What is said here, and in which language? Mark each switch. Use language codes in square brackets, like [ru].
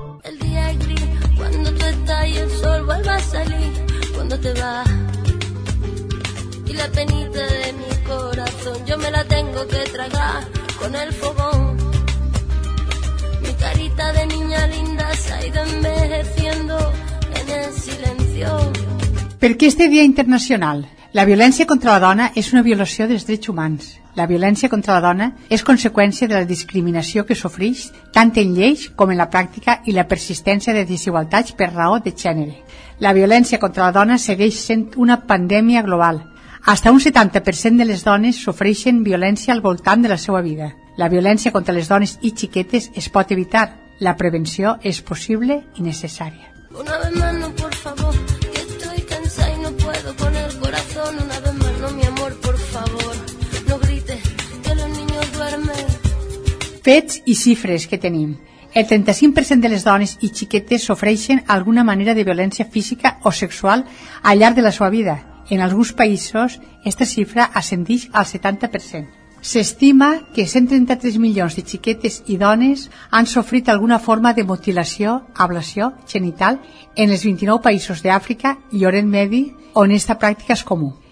[ca] El dia és gris, quan tu estàs i el sol [es] vuelve a salir, [ca] quan te va. [es] I la penita de mi corazón, yo me la tengo que tragar. Con el fogón, mi carita de niña linda se ha ido envejeciendo en el silencio. [ca] Per què este dia internacional? La violència contra la dona és una violació dels drets humans. La violència contra la dona és conseqüència de la discriminació que sofreix tant en lleis com en la pràctica i la persistència de desigualtats per raó de gènere. La violència contra la dona segueix sent una pandèmia global. [es] Hasta [ca] un 70% de les dones sofreixen violència al voltant de la seva vida. La violència contra les dones i xiquetes es pot evitar. La prevenció és possible i necessària. [es] Una vez más no, por favor, que estoy cansada y no puedo con el corazón. Una vez más no, mi amor, por favor, no grites, que los niños duermen. [ca] Fets i xifres que tenim. El 35% de les dones i xiquetes sofreixen alguna manera de violència física o sexual al llarg de la seva vida. En alguns països, aquesta xifra ascendeix al 70%. S'estima que 133 milions de xiquetes i dones han sofrit alguna forma de mutilació, ablació genital en els 29 països d'Àfrica i Orient Medi, on aquesta pràctica és comú.